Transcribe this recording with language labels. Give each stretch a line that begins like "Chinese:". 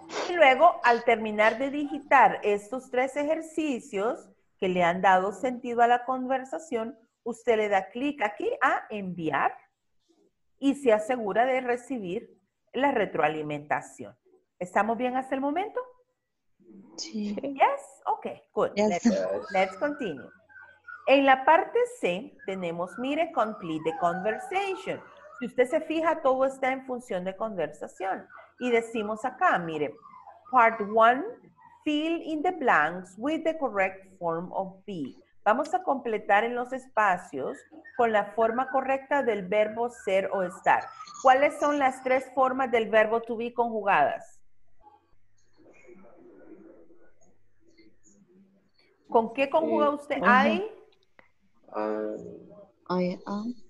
Spanish: Y luego, al terminar de digitar estos tres ejercicios que le han dado sentido a la conversación, usted le da clic aquí a enviar y se asegura de recibir la retroalimentación. ¿Estamos bien hasta el momento? Sí.
English: Yes. Ok, good. Yes. Let's continue.
Spanish: En la parte C tenemos, mire,
English: complete the conversation.
Spanish: Si usted se fija, todo está en función de conversación. Y decimos acá, mire,
English: part one, fill in the blanks with the correct form of be.
Spanish: Vamos a completar en los espacios con la forma correcta del verbo ser o estar. ¿Cuáles son las tres formas del verbo to be conjugadas? ¿Con qué conjuga usted?
English: I am.